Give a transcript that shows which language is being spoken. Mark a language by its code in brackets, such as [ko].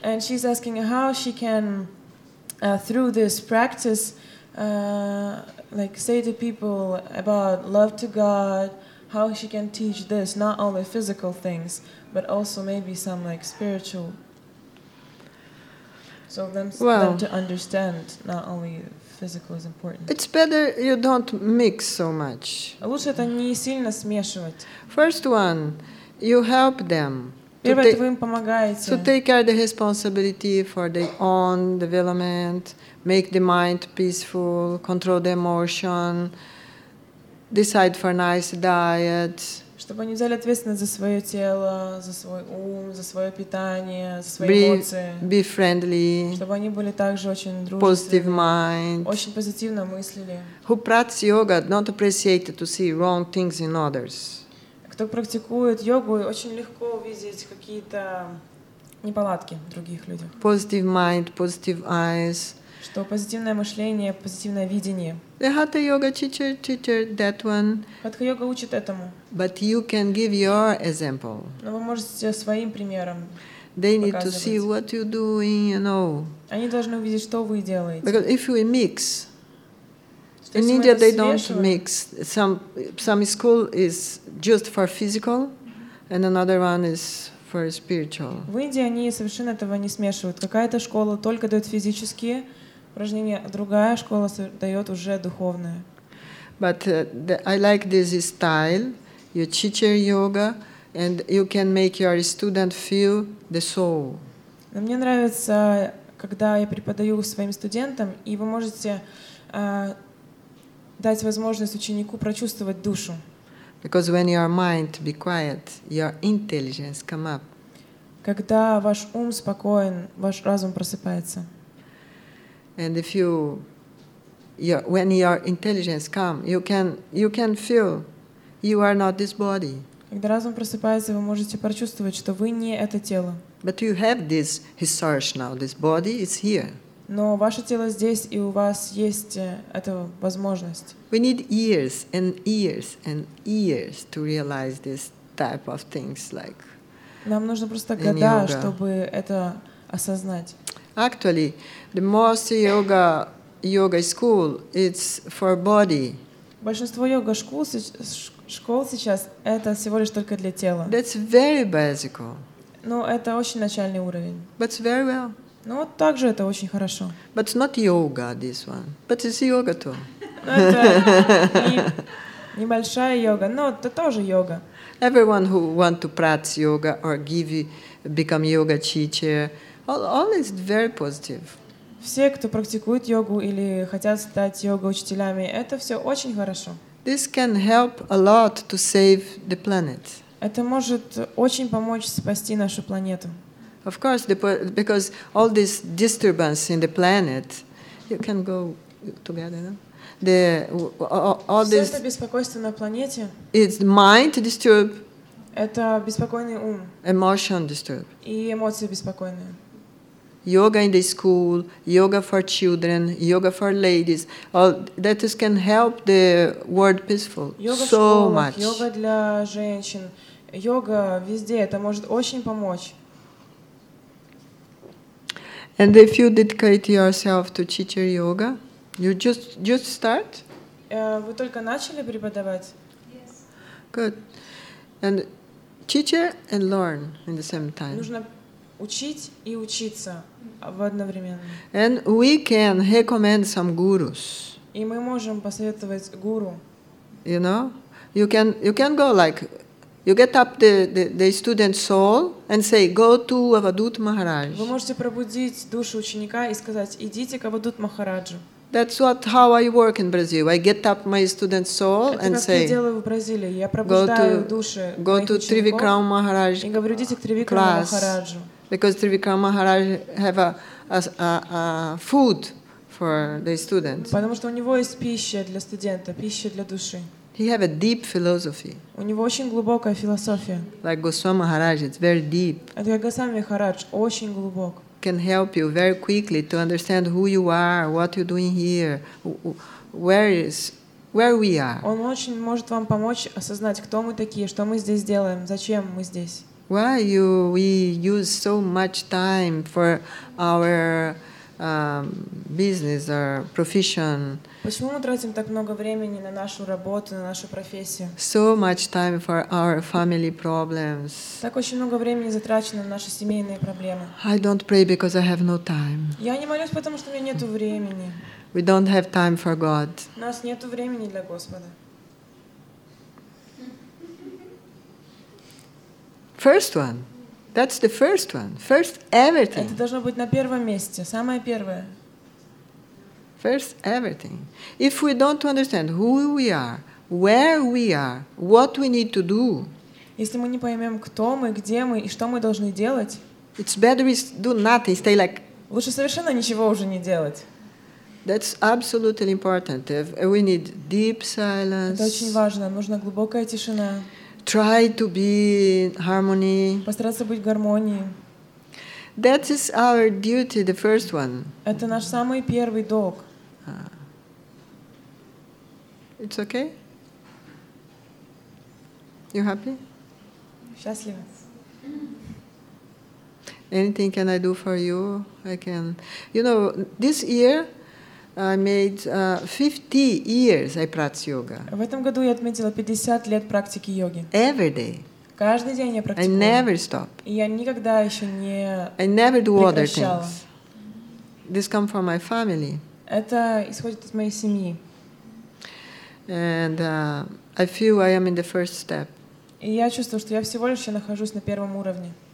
[en] And she's asking how she can, through this practice, like say to people about love to God, how she can teach this, not only physical things, but also maybe some like spiritual. So them to understand not only physical is important. It's better you don't mix so much. [ru] Лучше это не сильно смешивать. [en] First one, you help them. [ru] Первое, это вы им помогаете. [en] To take care of the responsibility for their own development, make the mind peaceful, control the emotion, decide for nice diet. [ru] Чтобы они взяли ответственность за свое тело, за свой ум, за свое питание, за свои эмоции. [en] Be friendly. [ru] Чтобы они были также очень дружественны. Очень позитивно мыслили. [en] Who practice yoga don't appreciate to see wrong things in others. [ru] Кто практикует йогу, очень легко увидеть какие-то неполадки в других людях. [en] Positive mind, positive eyes. [ru] Что позитивное мышление, позитивное видение. [en] The Hatha Yoga teacher that one. [ru] Hatha Yoga учит этому. [en] But you can give your example. [ru] Но вы можете своим примером. [en] They need to see what you doing, you know. [ru] Они должны увидеть, что вы делаете. [en] Because if we mix, in India they don't mix. Some school is just for physical, and another one is. For spiritual. [ru] В Индии они совершенно этого не смешивают. Какая-то школа только дает физические упражнения, другая школа дает уже духовные. [en] But I like this style. You teach your yoga, and you can make your student feel the soul. [ru] Но мне нравится, когда я преподаю своим студентам, и вы можете дать возможность ученику прочувствовать душу. [en] Because when your mind be quiet, your intelligence come up. [ru] Когда ваш ум спокоен, ваш разум просыпается. [en] And if when your intelligence come, you can feel you are not this body. [ru] Когда разум просыпается, вы можете прочувствовать, что вы не это тело. [en] But you have this resource now. This body is here. [ru] Но ваше тело здесь, и у вас есть эта возможность. [en] We need years and years and years to realize this type of things like. [ru] Нам нужно просто года, чтобы это осознать. [en] Actually, the most yoga school it's for body. [ru] Большинство йога школ сейчас это всего лишь только для тела. [en] That's very basic. [ru] Но это очень начальный уровень. [en] But it's very well. [ru] Ну, вот также это очень хорошо. [en] But it's not yoga, this one. But it's yoga too. [ru] Это небольшая йога, но это тоже йога. [en] Everyone who want to practice yoga or become yoga teacher, all is very positive. [ru] Все, кто практикует йогу или хотят стать йога-учителями, это все очень хорошо. [en] This can help a lot to save the planet. [ru] Это может очень помочь спасти нашу планету. [en] Of course, because all this disturbance in the planet, you can go together. No? The all this. [ru] Все это беспокойство на планете. [en] It's mind disturb. [ru] Это беспокойный ум. [en] Emotion disturb. [ru] И эмоции беспокойные. [en] Yoga in the school, yoga for children, yoga for ladies. All that is can help the world peaceful yoga so [ru] школах, [en] much. [ru] Йога для женщин, йога везде. Это может очень помочь. [en] And if you dedicate yourself to teacher yoga, you just start? [ru] Вы только начали преподавать? [en] Yes. Good. And teacher and learn in the same time. [ru] Нужно учить и учиться одновременно. [en] And we can recommend some gurus. [ru] И мы можем посоветовать гуру. [en] You know? You can go like you get up the student soul and say, go to Avadhut Maharaj. [ru] Вы можете пробудить душу ученика и сказать, идите к Avadhut Махараджу. [en] That's what how I work in Brazil. I get up my student soul [ru] это [en] and say, [ru] я делаю в Бразилии. Я пробуждаю души [en] go to Trivikram Maharaj. [ru] И говорю, идите к Trivikram Махараджу. [en] because Trivikram Maharaj have a food for the students. [ru] Потому что у него есть пища для студента, пища для души. [en] He have a deep philosophy. [ru] У него очень глубокая философия. [en] Like Goswami Maharaj, it's very deep. [ru] Это как Goswami Maharaj, очень глубок. [en] Can help you very quickly to understand who you are, what you're doing here, where we are. [ru] Он очень может вам помочь осознать, кто мы такие, что мы здесь делаем, зачем мы здесь. [en] Why we use so much time for our business or profession? [ru] Почему мы тратим так много времени на нашу работу, на нашу профессию? [en] So much time for our family problems. [ru] Так очень много времени затрачено на наши семейные проблемы. [en] I don't pray because I have no time. [ru] Я не молюсь, потому что у меня нету времени. [en] We don't have time for God. [ru] У нас нету времени для Господа. [en] First one. That's the first one. First everything. [ru] Это должно быть на первом месте, самое первое. [en] First everything. If we don't understand who we are, where we are, what we need to do. [ru] Если мы не поймем, кто мы, где мы и что мы должны делать. [en] It's better we do nothing. Stay like. [ru] Лучше совершенно ничего уже не делать. [en] That's absolutely important. We need deep silence. [ru] Это очень важно. Нужна глубокая тишина. [en] Try to be in harmony. [ru] Постараться быть в гармонии. [en] That is our duty, the first one. [ru] Это наш самый первый долг. [en] It's okay? You happy? [ru] Счастлива. [en] Anything can I do for you? I can. You know, this year I made 50 years I practice yoga. [ru] В этом году я отметила 50 лет практики йоги. [en] Every day. [ru] Каждый день я практикую. [en] I never stop. [ru] И я никогда еще не [en] I never do other things. This come from my family. [ru] Это исходит из моей семьи. [en] And I feel I am in the first step. [ru] И я чувствую, что я всего лишь нахожусь на первом уровне.